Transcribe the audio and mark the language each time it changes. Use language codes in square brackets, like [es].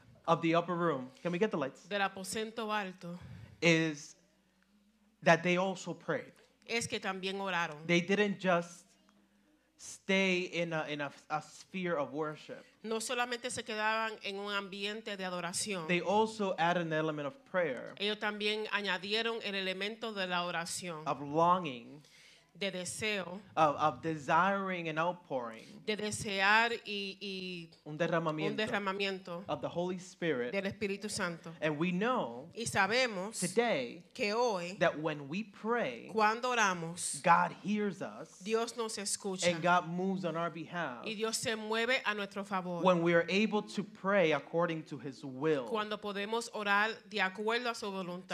[en] of the upper room, can we get the lights? [es] Del aposento alto. [en] Is that they also prayed. [es] Es que también oraron. [en] They didn't just stay in a sphere of worship. [es] No solamente se quedaban en un ambiente de adoración. [en] They also added an element of prayer. [es] Ellos también añadieron el elemento de la oración. [en] Of longing. [es] De deseo. [en] Of desiring an outpouring. [es] De desear y un derramamiento. [en] Of the Holy Spirit. [es] Del Espíritu Santo. [en] And we know. [es] Y sabemos. [en] Today. [es] Que hoy. [en] That when we pray. [es] Cuando oramos. [en] God hears us. [es] Dios nos escucha. [en] And God moves on our behalf. [es] Y Dios se mueve a nuestro favor. [en] When we are able to pray according to His will. [es] Cuando podemos orar de acuerdo a su voluntad.